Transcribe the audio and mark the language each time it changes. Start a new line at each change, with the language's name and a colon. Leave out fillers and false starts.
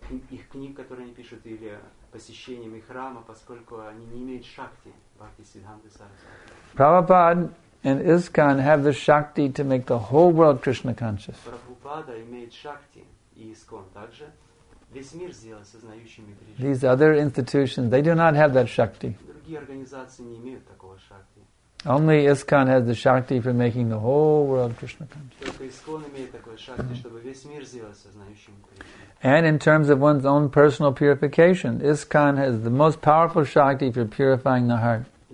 Russian: Их книг, которые они пишут, или посещениями храма, поскольку они не имеют шакти, бхакти сиддханты сарасвати.
English: Prabhupada and ISKCON have the shakti to make the whole world Krishna conscious.
Russian: Prabhupada имеет шакти и ISKCON также весь мир сделать сознающими Кришну.
English: These other institutions, they do not have that shakti.
Russian: Другие организации не имеют такого шакти.
English: Only ISKCON has the shakti for making the whole world Krishna conscious.
Russian: Только ISKCON имеет такое шакти, чтобы весь мир сделать сознающим Кришну.
English: And in terms of one's own personal purification, ISKCON has the most powerful shakti for purifying the heart.